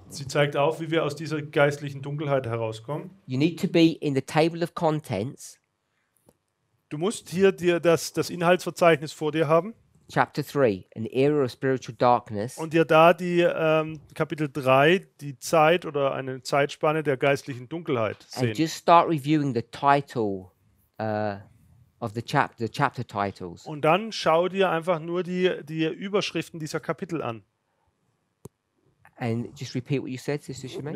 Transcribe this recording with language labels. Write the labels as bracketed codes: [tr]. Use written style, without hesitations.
[de] Sie zeigt auf, wie wir aus dieser geistlichen Dunkelheit herauskommen. [en] You need to be in the table of contents. [de] Du musst hier dir das Inhaltsverzeichnis vor dir haben. [en] Chapter 3, an era of spiritual darkness. [de] Und dir da die Kapitel 3, die Zeit oder eine Zeitspanne der geistlichen Dunkelheit sehen. [en] And just start reviewing the title of the chapter titles. [de] Und dann schau dir einfach nur die Überschriften dieser Kapitel an. [en] And just repeat what you said, Sister Shemaine.